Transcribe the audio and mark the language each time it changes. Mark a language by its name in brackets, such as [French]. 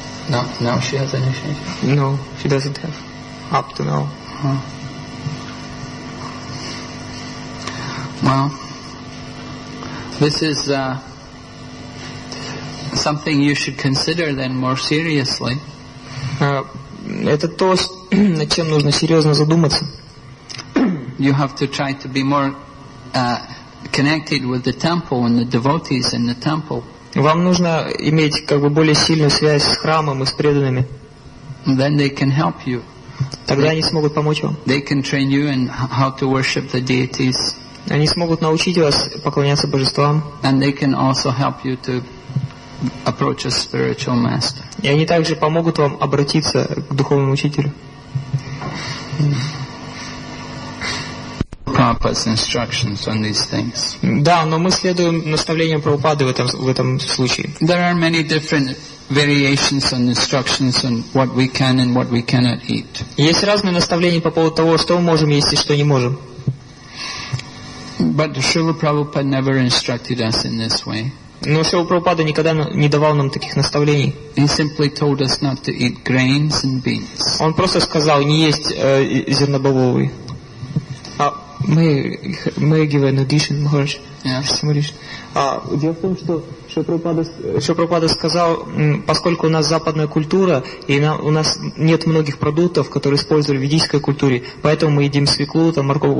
[English] No, now she has an initiation. No, she doesn't have up to now. Huh. Well, this is something you should consider then more seriously. [Russian] Это то, над чем нужно серьезно задуматься. [English] You have to try to be more connected with the temple and the devotees in the temple. [Russian] Вам нужно иметь как бы более сильную связь с храмом и с преданными. [English] then they can help you. [Russian] Тогда они смогут помочь вам. [English] They can train you in how to worship the deities. [Russian] Они смогут научить вас поклоняться божествам. [English] And they can also help you to approach a spiritual master. [Russian] И они также помогут вам обратиться к духовному учителю. [English] Prabhupada's instructions on these things. [Russian] Да, но мы следуем наставлениям Прабхупады в этом случае. [English] There are many different variations on instructions on what we can and what we cannot eat. [Russian] Есть разные наставления по поводу того, что мы можем есть и что не можем. [English] But Srila Prabhupada never instructed us in this way. [Russian] Но Шрила Прабхупада никогда не давал нам таких наставлений. [English] He simply told us not to eat grains and beans. [Russian] Он просто сказал не есть зернобобовые. [English] May I give an addition, Maharaj? Yes. [Russian] Дело в том, что Шрила Прабхупада сказал, поскольку у нас западная культура, и у нас нет многих продуктов, которые использовали в ведической культуре, поэтому мы едим свеклу, там, морковку.